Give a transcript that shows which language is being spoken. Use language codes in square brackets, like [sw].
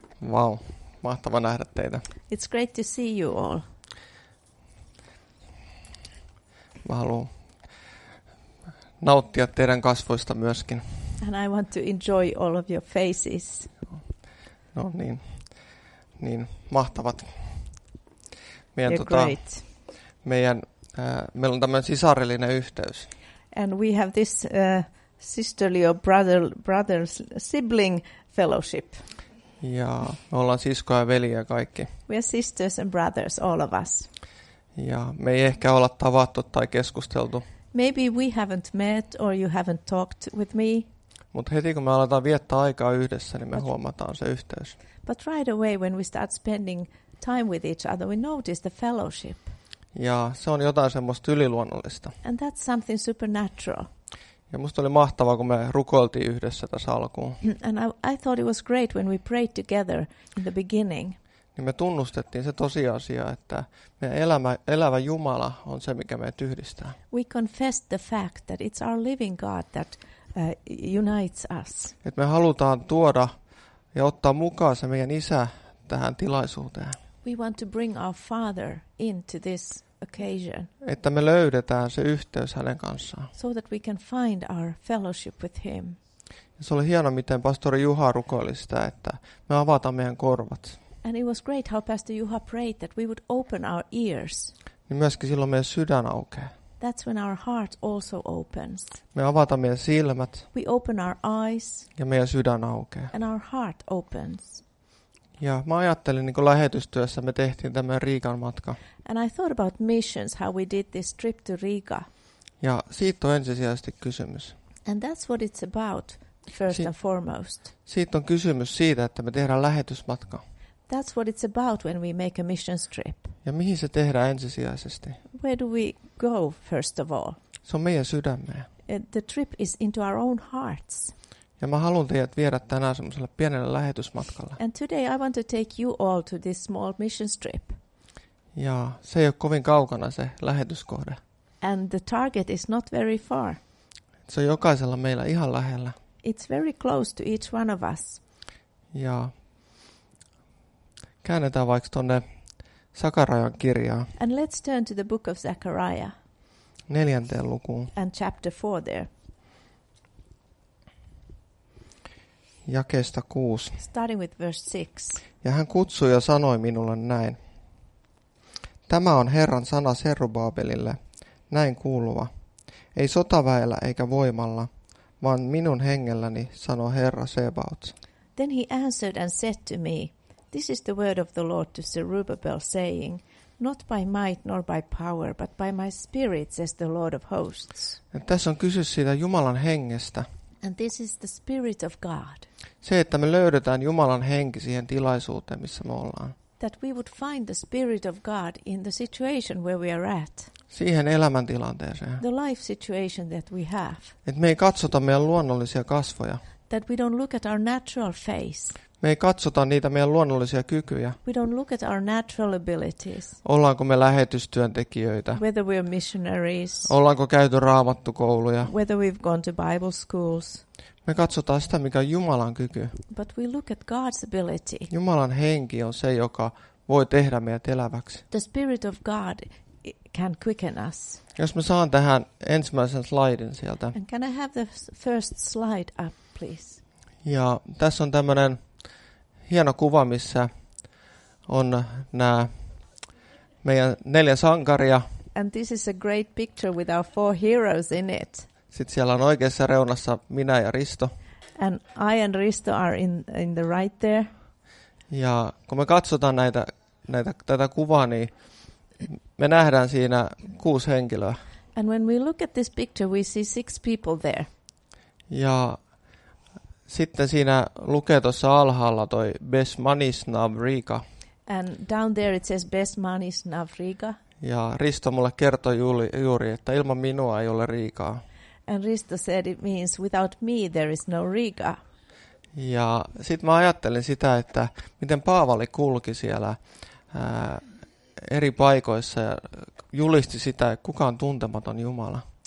[fi] Vau, mahtava nähdä teitä. [en] It's great to see you all. [fi] Mä haluan nauttia teidän kasvoista myöskin. [en] And I want to enjoy all of your faces. [fi] No niin, niin mahtavat. [en] Meidän, you're great. [fi] Meidän, meillä on tämmöinen sisarellinen yhteys. [en] And we have this sisterly or brother sibling fellowship. [fi] Ja me ollaan siskoja ja veljiä kaikki. [en] We are sisters and brothers, all of us. [fi] Ja me ei ehkä olla tavattu tai keskusteltu. [en] Maybe we haven't met or you haven't talked with me. [fi] Mutta heti kun me aletaan viettää aikaa yhdessä, niin me huomataan se yhteys. [en] But right away when we start spending time with each other, we notice the fellowship. [fi] Ja se on jotain semmoista yliluonnollista. [en] And that's something supernatural. [fi] Ja musta oli mahtavaa, kun me rukoiltiin yhdessä tässä alkuun. [en] And I thought it was great when we prayed together in the beginning. [fi] Niin me tunnustettiin se tosiasia, että meidän elävä Jumala on se, mikä meidät yhdistää. [en] We confessed the fact that it's our living God that unites us. [fi] Et me halutaan tuoda ja ottaa mukaan se meidän isä tähän tilaisuuteen. [en] We want to bring our Father into this occasion. [fi] Että me löydetään se yhteys hänen kanssaan. [en] So that we can find our fellowship with him. [fi] Ja se oli hieno, miten pastori Juha rukoili sitä, että me avataan meidän korvat. [en] And it was great how pastor Juha prayed that we would open our ears. [fi] Niin myöskin silloin meidän sydän aukeaa. [en] That's when our heart also opens. [fi] Me avataan meidän silmät. [en] We open our eyes. [fi] Ja meidän sydän aukeaa. [en] And our heart opens. [fi] Ja mä ajattelin, niin kun lähetystyössä me tehtiin tämmöinen Riikan matka. [en] And I thought about missions, how we did this trip to Riga. [fi] Ja siitä on ensisijaisesti kysymys. [en] And that's what it's about, first and foremost. [fi] Siitä on kysymys siitä, että me tehdään lähetysmatka. [en] That's what it's about when we make a missions trip. [fi] Ja mihin se tehdään ensisijaisesti? [en] Where do we go, first of all? [fi] Se on meidän sydämeen. [en] The trip is into our own hearts. [fi] Ja mä haluan teidät viedä tänään semmoiselle pienelle lähetysmatkalle. [en] And today I want to take you all to this small mission trip. [fi] Ja se ei ole kovin kaukana se lähetyskohde. [en] And the target is not very far. [fi] Se on jokaisella meillä ihan lähellä. [en] It's very close to each one of us. [fi] Ja käännetään vaikka tuonne Sakarajan kirjaan. [en] And let's turn to the book of Zechariah. [fi] 4. lukuun. [en] And chapter 4 there. [fi] Jakeesta 6. [en] Starting with verse 6. [fi] Ja hän kutsui ja sanoi minulle näin. Tämä on Herran sana Serubabelille, näin kuuluva. Ei sotaväellä eikä voimalla, vaan minun hengelläni, sanoo Herra Sebaot. [en] Then he answered and said to me, this is the word of the Lord to Zerubbabel, saying, not by might nor by power, but by my spirit, says the Lord of hosts. [fi] Ja tässä on kyse siitä Jumalan hengestä. [en] And this is the spirit of God. [fi] Se, että me löydetään Jumalan henki siihen tilaisuuteen, missä me ollaan. [en] That we would find the spirit of God in the situation where we are at. [fi] Siihen elämäntilanteeseen. [en] The life situation that we have. [fi] Et me ei katsota meidän luonnollisia kasvoja. [en] That we don't look at our natural face. [fi] Me ei katsota niitä meidän luonnollisia kykyjä. [en] We don't look at our natural abilities. [fi] Ollaanko me lähetystyöntekijöitä? [en] Whether we are missionaries. [fi] Ollaanko käyty raamattukouluja? [en] Whether we've gone to Bible schools. [fi] Me katsotaan sitä, mikä on Jumalan kyky. [en] But we look at God's ability. [fi] Jumalan henki on se, joka voi tehdä meidät eläväksi. [en] The spirit of God can quicken us. [fi] Jos mä saan tähän ensimmäisen slaidin sieltä. [en] And can I have the first slide up, please? [fi] Ja tässä on tämmöinen hieno kuva, missä on nämä meidän neljä sankaria. [en] And this is a great picture with our four heroes in it. [fi] Sitten siellä on oikeassa reunassa minä ja Risto. [en] And I and Risto are in the right there. [fi] Ja kun me katsotaan tätä kuvaa, niin me nähdään siinä kuusi henkilöä. [en] And when we look at this picture, we see six people there. [fi] Ja sitten siinä lukee tuossa alhaalla toi Besmanisnav Riga. [en] And down there it says Besmanisnav Riga. [fi] Ja Risto mulle kertoi juuri, että ilman minua ei ole Riikaa. [en] And Risto said it means without me there is no Riga. [fi] Ja sitten mä ajattelin sitä, että miten Paavali kulki siellä eri paikoissa ja julisti sitä, että kuka on tuntematon Jumala.